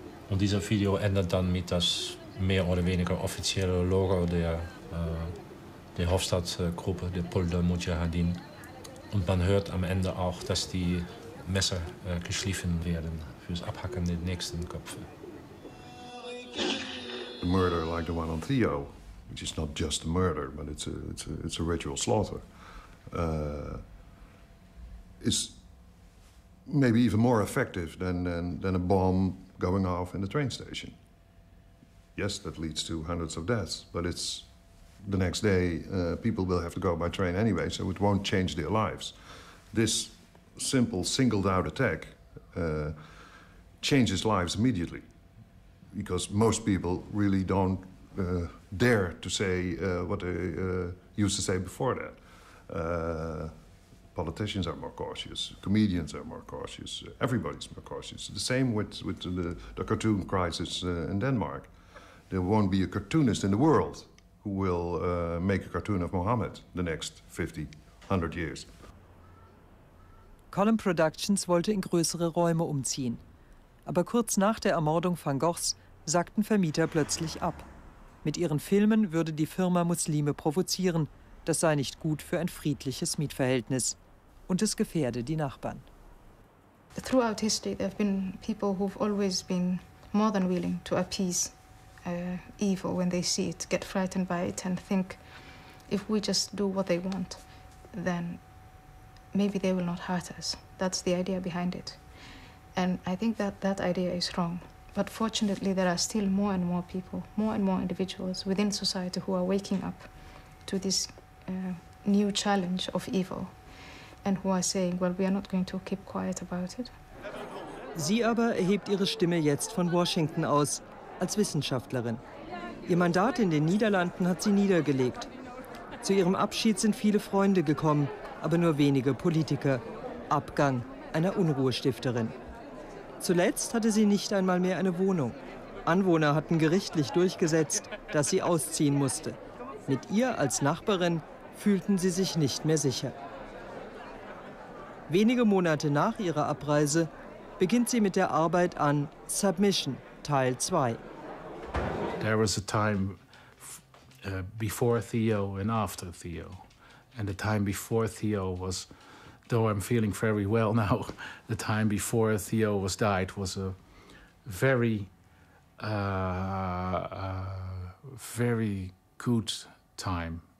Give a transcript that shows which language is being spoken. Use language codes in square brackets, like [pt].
[de] Und dieses Video endet dann mit das mehr oder weniger offizielle Logo der Hofstadt-Gruppe, der Pol der Mujahedin. Und man hört am Ende auch, dass die Messer geschliffen werden fürs Abhacken der nächsten Köpfe. [en] The murder like the one on Theo, which is not just a murder, but it's a ritual slaughter, is maybe even more effective than a bomb going off in the train station. Yes, that leads to hundreds of deaths, but it's the next day, people will have to go by train anyway, so it won't change their lives. This simple singled out attack changes lives immediately, because most people really don't dare to say what they used to say before that. Politicians are more cautious, comedians are more cautious, everybody's more cautious. The same with the cartoon crisis in Denmark. There won't be a cartoonist in the world who will make a cartoon of Mohammed the next 50, 100 years. [de] Column Productions wollte in größere Räume umziehen. Aber kurz nach der Ermordung van Goghs sagten Vermieter plötzlich ab. Mit ihren Filmen würde die Firma Muslime provozieren. Das sei nicht gut für ein friedliches Mietverhältnis. Und es gefährde die Nachbarn. [en] Throughout history there have been people who've always been more than willing to appease evil when they see it, get frightened by it and think if we just do what they want, then maybe they will not hurt us. That's the idea behind it. And I think that idea is wrong. But fortunately there are still more and more people, more and more individuals within society who are waking up to this new challenge of evil and who are saying, well, we are not going to keep quiet about it. [de] Sie aber erhebt ihre Stimme jetzt von Washington aus, als Wissenschaftlerin. Ihr Mandat in den Niederlanden hat sie niedergelegt. Zu ihrem Abschied sind viele Freunde gekommen, aber nur wenige Politiker. Abgang einer Unruhestifterin. Zuletzt hatte sie nicht einmal mehr eine Wohnung. Anwohner hatten gerichtlich durchgesetzt, dass sie ausziehen musste. Mit ihr als Nachbarin fühlten sie sich nicht mehr sicher. Wenige Monate nach ihrer Abreise beginnt sie mit der Arbeit an Submission Teil 2. [en] There was a time before Theo and after Theo. And the time before Theo was, though I'm feeling very well now, the time before Theo was died was a very, very good time.